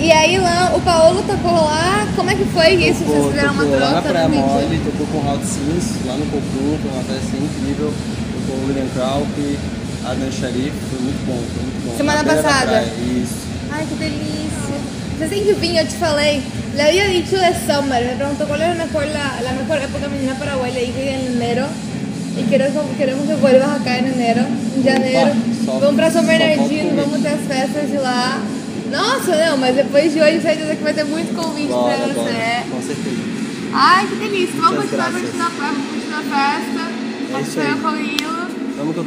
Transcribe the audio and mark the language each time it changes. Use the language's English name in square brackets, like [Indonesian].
[Portuguese] E aí, Lan, o Paolo tocou lá, como é que foi tocou, isso? Vocês fizeram uma troca? Lá na Praia Mole, tocou com o Hot Sims, lá no Cocu, foi uma festa incrível. Tocou o William Krauk, a Dan Sharif, foi muito bom. Semana na passada? Isso. Ai, que delícia. Você tem que vir, eu te falei. [Spanish] Le había dicho de summer, me preguntó cuál era la mejor época de venir a Paraguay, le dije en enero. Y queremos que vuelvas acá en enero, en janeiro. [Portuguese] Vamos para São Bernardino, vamos ter as festas de lá. Nossa, não, mas depois de hoje, certeza que vai ter muito convite para você. Com certeza. Ai, que delícia. Vamos continuar curtindo a festa. Vamos continuar com o Ilo. Vamos que eu tô tudo suado aqui, vamos, tá calor no nosso carro.